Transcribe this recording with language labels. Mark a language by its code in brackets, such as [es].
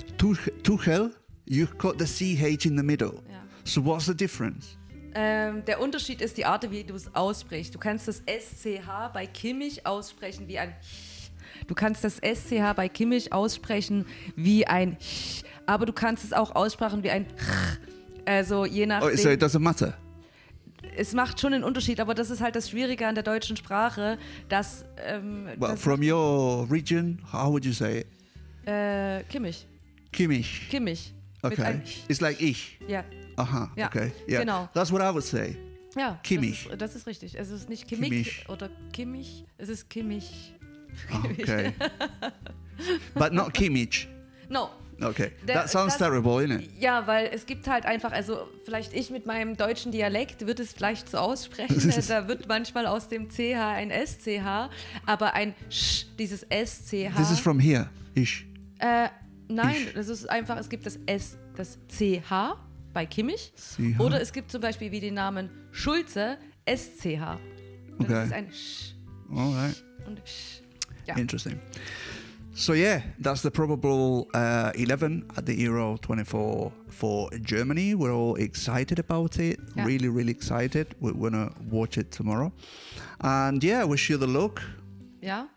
[en] Tuchel, you've got the CH in the middle. Yeah. So what's the difference? [de] Der Unterschied ist die Art, wie du es aussprichst. Du kannst das SCH bei Kimmich aussprechen wie ein... Du kannst das SCH bei Kimmich aussprechen wie ein Sch, aber du kannst es auch aussprechen wie ein Ch. Also je nachdem. [en] Oh, so it doesn't matter. [de] Es macht schon einen Unterschied, aber das ist halt das Schwierige an der deutschen Sprache, dass... [en] Well, [de] dass [en] from your region, how would you say it? [de] Kimmich. Kimmich. Kimmich. [en] Okay. It's like ich. [de] Ja. [en] Yeah. Aha, yeah. Okay. Yeah. [de] Genau. [en] That's what I would say. [de] Ja. Kimmich. Das ist richtig. Es ist nicht Kimmich, Kimmich oder Kimmich, es ist Kimmich. [en] Okay. But not Kimmich. No. Okay. That sounds terrible, innit? [de] Ja, weil es gibt halt einfach, also vielleicht ich mit meinem deutschen Dialekt würde es vielleicht so aussprechen. Da wird manchmal aus dem CH ein SCH, aber ein Sch, dieses SCH. [en] This is from here. Ich. [de] Nein, ich. Das ist einfach, es gibt das S, das CH bei Kimmich. C-H. Oder es gibt zum Beispiel wie den Namen Schulze, SCH. [en] Okay. [de] Das ist ein Sch. [en] Alright. [de] Und Sch. [en] Yeah. Interesting. So yeah, that's the probable 11 at the Euro 24 for Germany. We're all excited about it. Yeah. Really, really excited. We're going to watch it tomorrow. And yeah, wish you the luck. Yeah.